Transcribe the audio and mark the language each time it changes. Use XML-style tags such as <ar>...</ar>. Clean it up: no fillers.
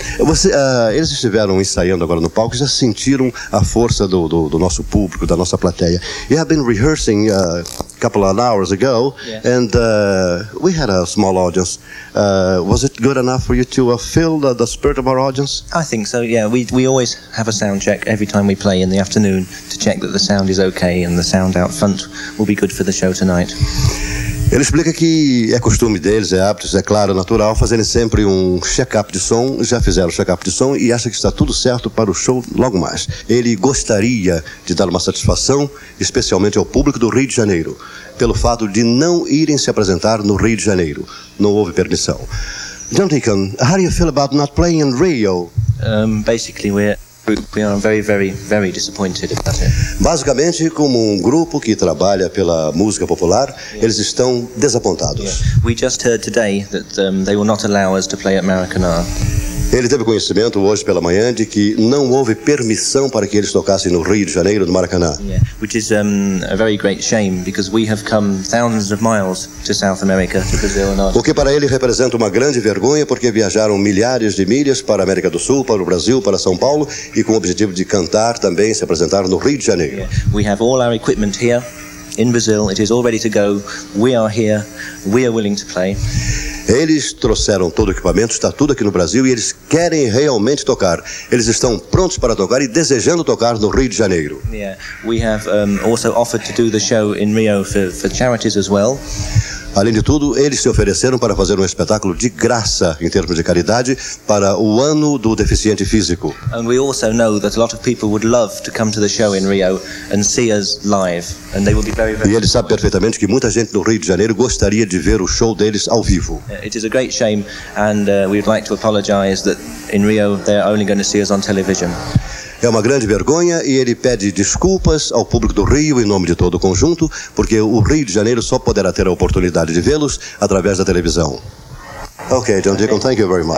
<pt>Eles estiveram ensaiando agora no palco, já sentiram a força do nosso público, da nossa plateia.</pt> <en>You have been rehearsing a couple of hours ago, yes. And we had a small audience. Was it good enough for you to feel the spirit of our audience? I think so, yeah. We always have a sound check every time we play in the afternoon to check that the sound is okay and the sound out front will be good for the show tonight.</en> <pt>Ele explica que é costume deles, é hábito, é claro, natural, fazerem sempre um check-up de som, já fizeram check-up de som e acha que está tudo certo para o show logo mais. Ele gostaria de dar uma satisfação, especialmente ao público do Rio de Janeiro, pelo fato de não irem se apresentar no Rio de Janeiro. Não houve permissão.</pt> <en>John Deacon, how do you feel about not playing in Rio? Basically, we are very, very, very disappointed about it.</en> <pt>Basicamente, como grupo que trabalha pela música popular, yeah. Eles estão desapontados.</pt> <en>Yeah. We just heard today that they will not allow us to play at Maracanã.</en> <pt>Ele teve conhecimento hoje pela manhã de que não houve permissão para que eles tocassem no Rio de Janeiro, no Maracanã.</pt> <en>Yeah. Which is a very great shame because we have come thousands of miles to South America to Brazil and Argentina.</en> <pt>O que para ele representa uma grande vergonha porque viajaram milhares de milhas para a América do Sul, para o Brasil, para São Paulo e com o objetivo de cantar também se apresentar no Rio de Janeiro.</pt> <en>Yeah. We have all our equipment here in Brazil. It is all ready to go. We are here. We are willing to play.</en> <pt>Eles trouxeram todo o equipamento, está tudo aqui no Brasil e eles querem realmente tocar. Eles estão prontos para tocar e desejando tocar no Rio de Janeiro.</pt> <en>Yeah, we have also offered to do the show in Rio for charities as well.</en> <pt>Além de tudo, eles se ofereceram para fazer um espetáculo de graça, em termos de caridade, para o ano do deficiente físico.</pt> <en>And we also know that a lot of people would love to come to the show in Rio and see us live, and they will be very, very.</en> <pt>E ele sabe perfeitamente que muita gente no Rio de Janeiro gostaria de ver o show deles ao vivo.</pt> <en>It is a great shame, and we would like to apologize that in Rio they are only going to see us on television.</en> <pt>É uma grande vergonha e ele pede desculpas ao público do Rio em nome de todo o conjunto, porque o Rio de Janeiro só poderá ter a oportunidade de vê-los através da televisão.</pt> <en>Okay, John Deacon, thank you very much.</en>